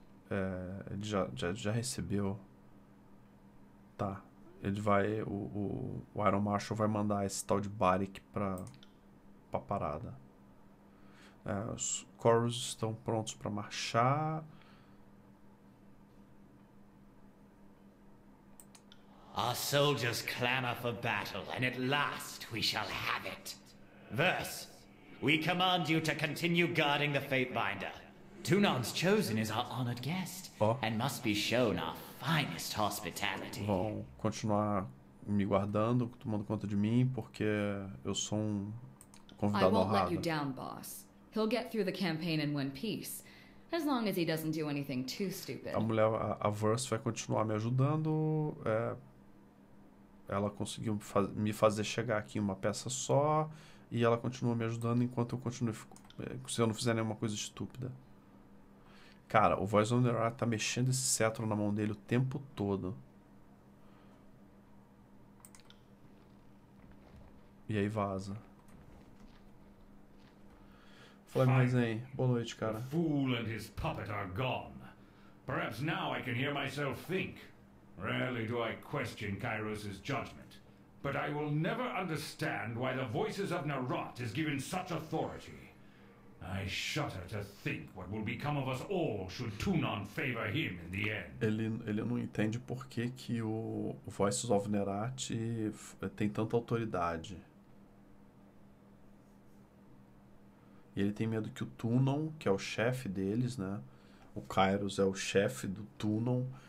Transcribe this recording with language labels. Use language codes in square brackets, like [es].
[pt] É, ele já recebeu. Tá. Ele vai. O Iron Marshall vai mandar esse tal de Barik pra parada. É, os Corus estão prontos pra marchar. [en] Our soldiers clamor for battle, and at last we shall have it. Verse, we command you to continue guarding the Fatebinder. Tunon's chosen is our honored guest, and must be shown our finest hospitality. [pt] Vão continuar me guardando, tomando conta de mim, porque eu sou um convidado honrado. [en] I won't let you down, boss. He'll get through the campaign in one piece. As long as he doesn't do anything too stupid. [pt] A mulher, a Verse, vai continuar me ajudando, Ela conseguiu me fazer chegar aqui uma peça só e ela continua me ajudando enquanto eu continuo, se eu não fizer nenhuma coisa estúpida. Cara, o Voice of Nerar tá mexendo esse cetro na mão dele o tempo todo. E aí vaza. Fala mais aí. Boa noite, cara. [en] O fool and his puppet are gone. Perhaps now I can hear myself think. Rarely do I question Kairos's judgment, but I will never understand why the voices of Narat is given such authority. I shudder to think what will become of us all should Tunon favor him in the end. [pt] Ele não entende por que o Voices of Narat tem tanta autoridade. E ele tem medo que o Tunon, que é o chefe deles, né? O Kairos é o chefe do Tunon.